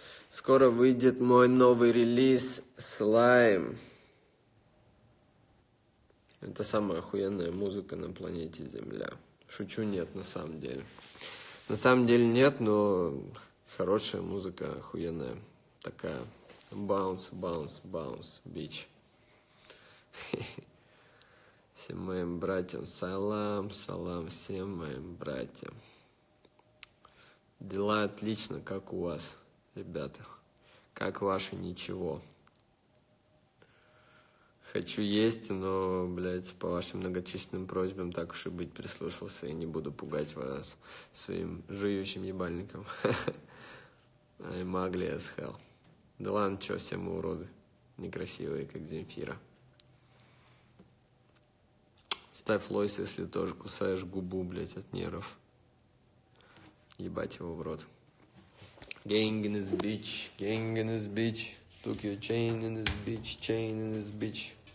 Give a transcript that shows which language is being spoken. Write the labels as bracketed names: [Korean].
[Russian] Скоро выйдет мой новый релиз «Слайм». Это самая охуенная музыка на планете Земля. Шучу, нет, на самом деле. На самом деле нет, но хорошая музыка, охуенная. Такая [English] «Bounce, bounce, bounce, bitch». [Russian] Всем моим братьям салам, салам всем моим братьям. Дела отлично, как у вас, ребята. Как ваши, ничего. Хочу есть, но, блядь, по вашим многочисленным просьбам так уж и быть прислушался и не буду пугать вас своим жующим ебальником. [English] I'm ugly as hell. [Russian] Да ладно, чё, все мы уроды. Некрасивые, как Земфира. Ставь лойс, если тоже кусаешь губу, блядь, от нервов. Ебать его в рот. [English] Gang in this bitch, gang in this bitch. Took your chain in this bitch, chain in this bitch.